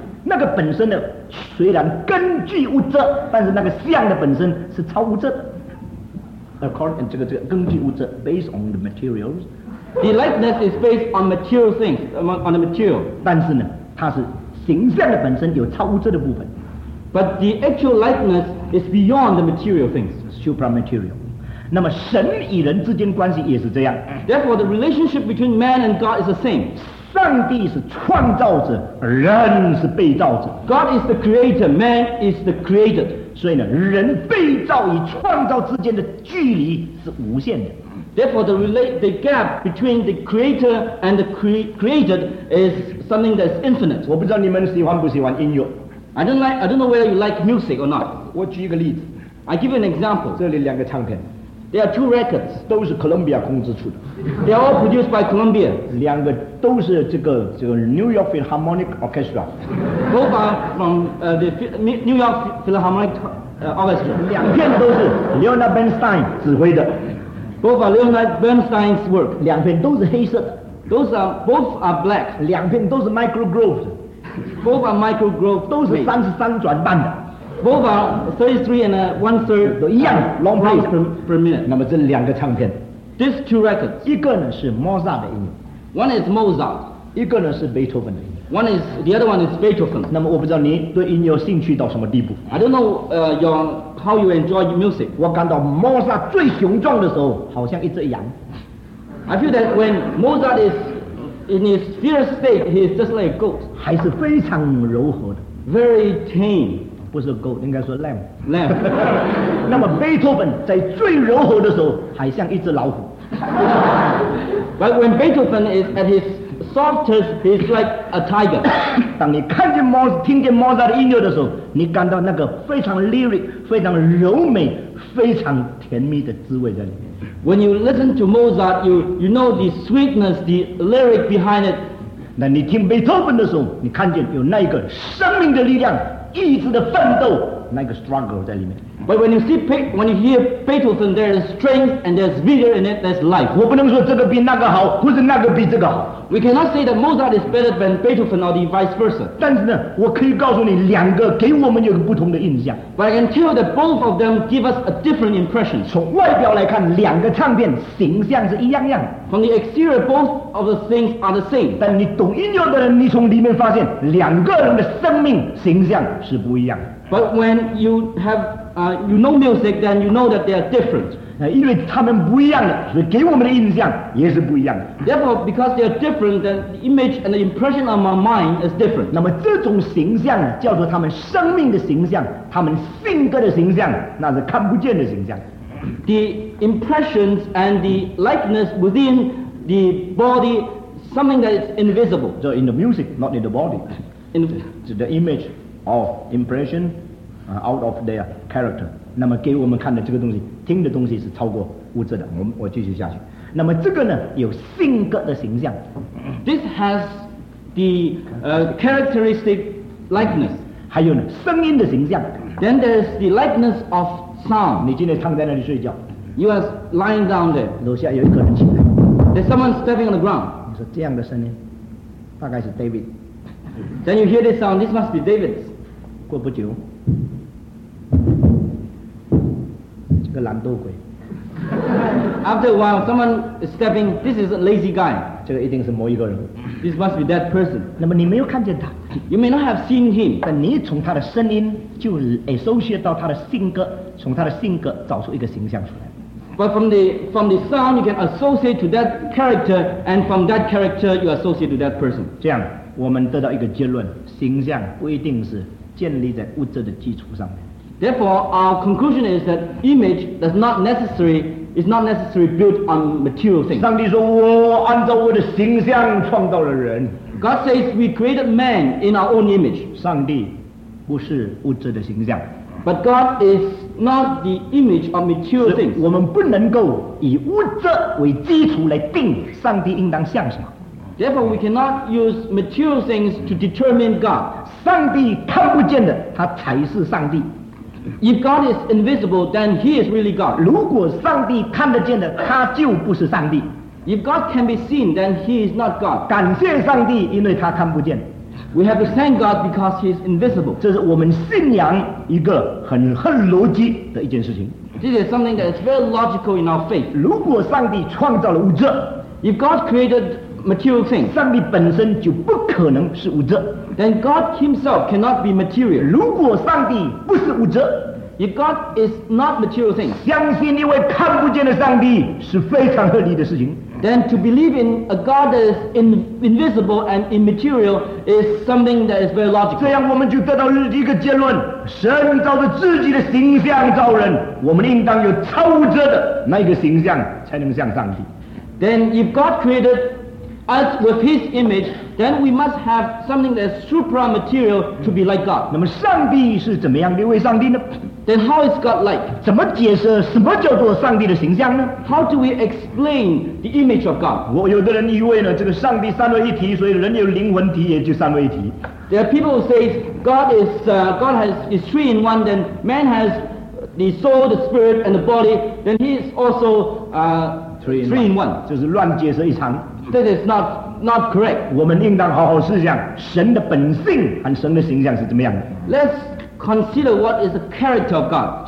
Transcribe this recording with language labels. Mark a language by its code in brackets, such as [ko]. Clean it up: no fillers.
[zh] 那个本身呢，虽然根据物质，但是那个像的本身是超物质的。 [en] According [zh] 这个根据物质 [en] ，based on the materials. The likeness is based on material things, on the material. [zh] 但是呢，它是形象的本身有超物质的部分。 [en] But the actual likeness is beyond the material things, supramaterial. [zh] 那么神与人之间关系也是这样。 [en] Therefore, the relationship between man and God is the same. [zh] 上帝是创造者，人是被造者。 [en] God is the creator, man is the created. [zh] 所以呢，人被造与创造之间的距离是无限的。 [en] Therefore, the gap between the creator and the created is something that's infinite. [zh] 我不知道你们喜欢不喜欢音乐。 [en] I don't know whether you like music or not. [zh] 我举一个例子。 [en] I give you an example. [zh] 这里两个唱片。 [en] There are two records. [zh] 都是 Columbia 控制出的。 [en] They are all produced by Columbia. [zh] 两个都是这个 New York Philharmonic Orchestra. [en] Both are from the New York Philharmonic Orchestra. [zh] 两片都是 Leonard Bernstein 指挥的。 [en] Both are Leonard Bernstein's work. [zh] 两片都是黑色的。 [en] Both are black. [zh] 两片都是 Michael Groves。 [en] Both are micro growth, [zh] 都是三十三转半的。 [en] Both are 33 and a one third, [zh] 都一样 long play [en] per minute. [zh] 那么这两个唱片 [en] ，these two records, [zh] 一个呢是 Mozart 的音乐 [en] ，one is Mozart, [zh] 一个呢是 Beethoven 的音乐 [en] ，one is the other one is Beethoven. [zh] 那么我不知道你对音乐有兴趣到什么地步 [en] ，I don't know your how you enjoy music. [zh] 我感到 Mozart 最雄壮的时候，好像一只羊。 [en] I feel that when Mozart is in his fierce state, he is just like a goat. [zh] 还是非常柔和的。 [en] Very tame. [zh] 不是 goat, 应该说 lamb. [en] Lamb. [zh] 那么 Beethoven 在最柔和的时候，还像一只老虎。 [en] But when Beethoven is at his soft as he's like a tiger. [zh] 当你看见猫子，听见猫子的音乐的时候，你感到那个非常 lyric， 非常柔美，非常甜蜜的滋味在里面。 [en] When you listen to Mozart, you know the sweetness, the lyric behind it. [zh] 那你听贝多芬的时候，你看见有那个生命的力量，意志的奋斗，那个 struggle 在里面。 [en] But when you hear Beethoven, there is strength and there's vigor in it, there's life. [zh] 我不能说这个比那个好，或者那个比这个好。 [en] We cannot say that Mozart is better than Beethoven or the vice versa. [zh] 但是呢，我可以告诉你，两个给我们有个不同的印象。 [en] But I can tell that both of them give us a different impression. [zh] 从外表来看，两个唱片形象是一样样。 [en] From the exterior, both of the things are the same. [zh] 但你懂音乐的人，你从里面发现，两个人的生命形象是不一样。 [en] But when you have, you know music, then you know that they are different. [zh] 因为他们不一样的，所以给我们的印象也是不一样的。 [en] Therefore, because they are different, then the image and the impression on my mind is different. [zh] 那么这种形象呢，叫做他们生命的形象，他们性格的形象，那是看不见的形象。 [en] The impressions and the likeness within the body, something that is invisible. So in the music, not in the body. In the image. Of impression, out of their character. [zh] 那么给我们看的这个东西，听的东西是超过物质的。我继续下去。那么这个呢，有性格的形象。 [en] This has the characteristic likeness. [zh] 还有呢，声音的形象。 [en] Then there's the likeness of sound. [zh] 你今天躺在那里睡觉。 [en] You are lying down there. [zh] 楼下有一个人起来。 [en] There's someone stepping on the ground. [zh] 你说这样的声音，大概是 David. [en] Then you hear this sound, this must be David's. [zh] 过不久，这个懒惰鬼。 [en] After a while, someone is stepping, this is a lazy guy. [zh] 这个一定是某一个人。 [en] This must be that person. [zh] 那么你没有看见他。 [en] You may not have seen him. [zh] 但你从他的声音就 associate 到他的性格，从他的性格找出一个形象出来。 [en] But from the sound, you can associate to that character, and from that character, you associate to that person. [zh] 这样。我们得到一个结论，形象不一定是建立在物质的基础上面。 [en] Therefore, our conclusion is that image does not necessary is not necessary built on material things. [zh] 上帝说，我按照我的形象创造了人。 [en] God says we created man in our own image. [zh] 上帝不是物质的形象。 [en] But God is not the image of material things. [zh] 我们不能够以物质为基础来定上帝应当像什么。 [en] Therefore, we cannot use material things to determine God. [zh] 上帝看不见的，他才是上帝。 [en] If God is invisible, then he is really God. [zh] 如果上帝看得见的，他就不是上帝。 [en] If God can be seen, then he is not God. [zh] 感谢上帝，因为他看不见。 [en] We have to thank God because he is invisible. [zh] 这是我们信仰一个很合逻辑的一件事情。 [en] This is something that is very logical in our faith. [zh] 如果上帝创造了物质， [en] If God createdMaterial thing. [zh] 上帝本身就不可能是物质。 [en] Then God Himself cannot be material. [zh] 如果上帝不是物质， [en] If God is not material thing, [zh] 相信一位看不见的上帝是非常合理的事情。 [en] Then to believe in a God that is invisible and immaterial is something that is very logical. [zh] 这样我们就得到一个结论：神照着自己的形象造人，我们应当有超物质的那个形象，才能像上帝。 [en] Then if God created us with his image, then we must have something that is supra-material to be like God. [zh] 那么上帝是怎么样的一位上帝呢？ [en] Then how is God like? [zh] 怎么解释什么叫做上帝的形象呢？ [en] How do we explain the image of God? [zh] 我有的人以为呢，这个上帝三位一体，所以人有灵魂体也就三位一体。 [en] There are people who say God is, God has, is three in one, then man has the soul, the spirit, and the body, then he is also, three in one. [zh] 就是乱解释一场。 [en] That is not correct. [zh] 我们应当好好思想神的本性和神的形象是怎么样的。 [en] Let's consider what is the character of God.